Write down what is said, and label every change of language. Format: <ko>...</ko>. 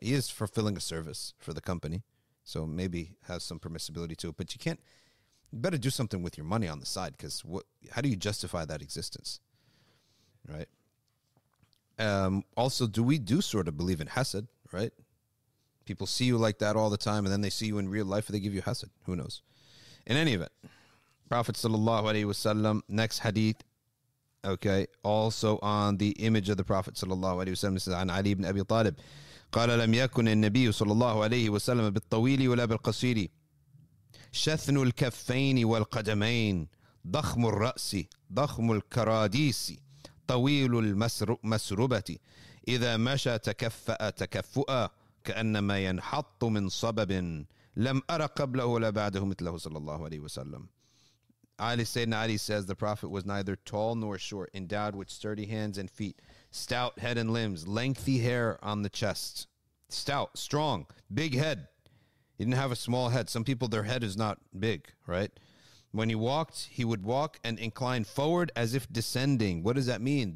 <en>He is fulfilling a service for the company, so maybe has some permissibility to it, but you can't. You better do something with your money on the side, because how do you justify that existence, right? Also, do we do sort of believe in hesed, right? People see you like that all the time, and then they see you in real life, and they give you hesed. Who knows? In any event, Prophet sallallahu alaihi wasallam, next hadith, okay, also on the image of the Prophet sallallahu alaihi wasallam, says,</en> <ar>عن علي بن أبي طالب, قال لم يكن النبي صلى الله عليه وسلم بالطويل ولا بالقصير شثن الكفين والقدمين ضخم الرأس ضخم الكراديس طويل المسربة إذا مشى تكفأ كأنما ينحط من صبب لم أرى قبله ولا بعده مثله صلى الله عليه وسلم.</ar> <en>Ali Sayyidina Ali says the Prophet was neither tall nor short, endowed with sturdy hands and feet, stout head and limbs, lengthy hair on the chest, stout, strong, big head. He didn't have a small head. Some people, their head is not big, right? When he walked, he would walk and incline forward as if descending. What does that mean?</en>